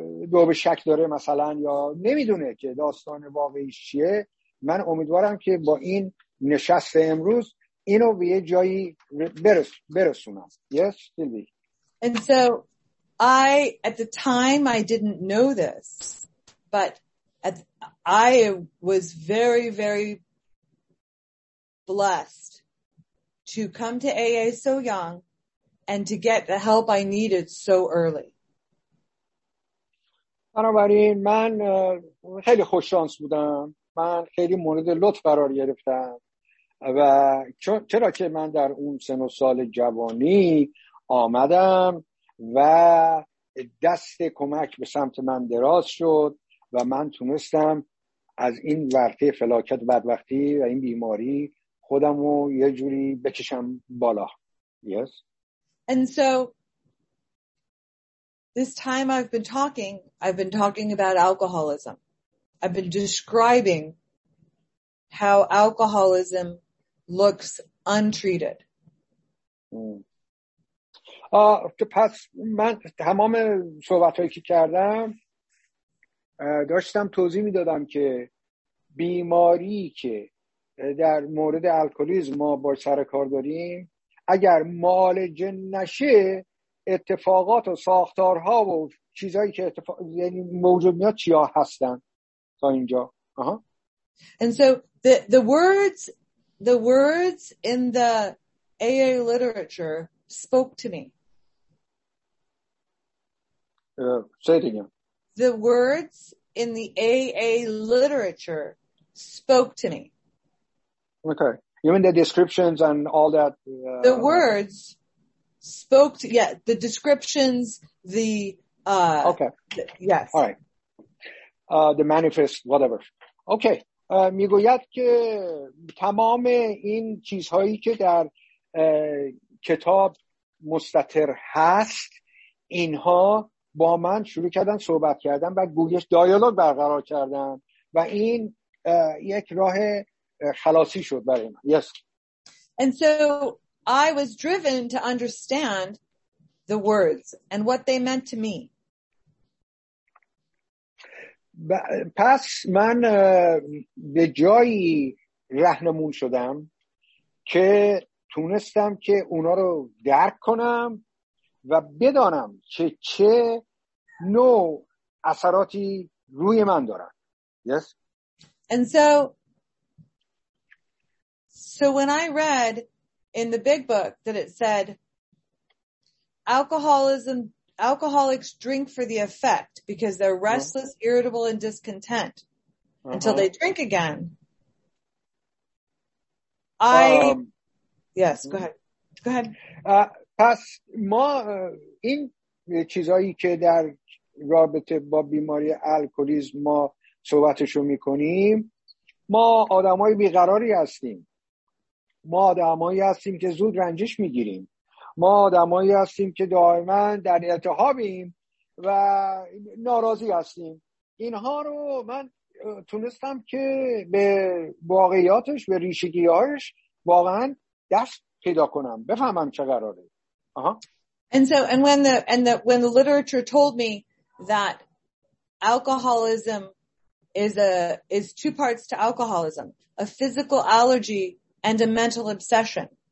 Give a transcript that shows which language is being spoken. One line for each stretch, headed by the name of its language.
Persian: دو به شک داره مثلا یا نمیدونه که داستان واقعیش چیه، من امیدوارم که با این نشست امروز اینو به یه جایی برسونم.
English: Yes, Sylvie. And so I at the time I didn't know this, but I was very very blessed to come to AA so young and to get the help I needed so early.
Persian: بنابراین من خیلی خوش شانس بودم، من خیلی مورد لطف قرار گرفتم و چرا که من در اون سن و سال جوانی آمدم و دست کمک به سمت من دراز شد و من تونستم از این ورطه فلاکت بدبختی و این بیماری خودم رو یه جوری بکشم بالا.
English: Yes. And so this time I've been talking about alcoholism. I've been describing how alcoholism looks untreated.
Persian: پس من تمام صحبتایی که کردم داشتم توضیح میدادم که بیماری که در مورد الکلیسم ما با سر کار داریم اگر معالجه نشه اتفاقات و ساختارها و چیزایی که یعنی موجود میاد چیا هستن تا اینجا.
English: And so the words in the AA literature spoke to me. Say it again. The words in the AA literature spoke to me. Okay. You mean the descriptions and all that? The words spoke to, yeah, the descriptions, the, okay. Yes. All right. The manifest, whatever. Okay.
Persian: میگوید که تمام این چیزهایی که در کتاب مستتر هست اینها با من شروع کردن صحبت کردن و گویش دیالوگ برقرار کردن و این یک راه خلاصی شد برای من.
English: Yes. And so I was driven to understand the words and what they meant to me.
Persian: پس من به جایی رهنمون شدم که تونستم که اونا رو درک کنم و بدانم که چه نوع اثراتی روی من دارن.
English: Yes. And so when I read in the big book that it said alcoholism, alcoholics drink for the effect because they're restless, uh-huh. irritable, and discontent uh-huh. until they drink again. Yes, go ahead.
Persian: پس ما این چیزایی که در رابطه با بیماری الکلیسم ما صحبتشو میکنیم، ما آدمای بیقراری هستیم. ما آدمایی هستیم که زود رنجش میگیریم. ما آدمایی هستیم که دائما در التهابیم و ناراضی هستیم. اینها رو من تونستم که به واقعیاتش، به ریشگیاش واقعا دست پیدا کنم، بفهمم چه قراره. آها.
English: And so when the literature told me that alcoholism is two parts to alcoholism, a physical allergy and a mental obsession.